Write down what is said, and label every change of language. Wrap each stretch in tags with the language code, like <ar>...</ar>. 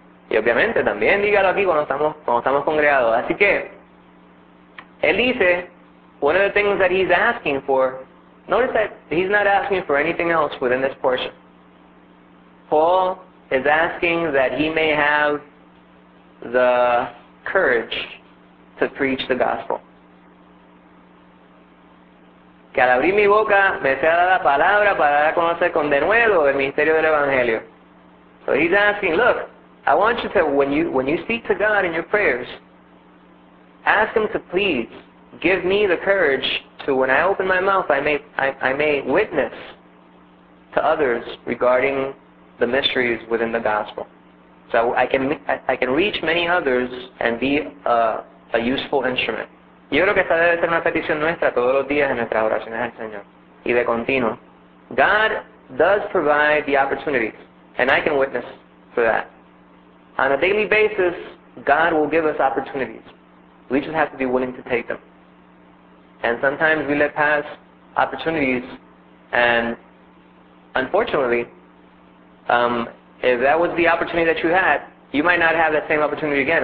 <es>Y obviamente también dígalo aquí cuando estamos congregados. Así que, él dice,</es> <en>one of the things that he's asking for, notice that he's not asking for anything else within this portion. Paul is asking that he may have the courage to preach the gospel.</en> <es>que al abrir mi boca me sea dada palabra para dar a conocer con denuedo el ministerio del Evangelio.</es> <en>So he's asking, look, I want you to, when you speak to God in your prayers, ask Him to please give me the courage to, when I open my mouth, I may witness to others regarding the mysteries within the gospel. So I can reach many others and be a useful instrument.</en> <es>Yo creo que esta debe ser una petición nuestra todos los días en nuestras oraciones al Señor. Y de continuo.</es> <en>God does provide the opportunities, and I can witness to that. On a daily basis, God will give us opportunities. We just have to be willing to take them. And sometimes we let pass opportunities, and unfortunately, if that was the opportunity that you had, you might not have that same opportunity again.</en>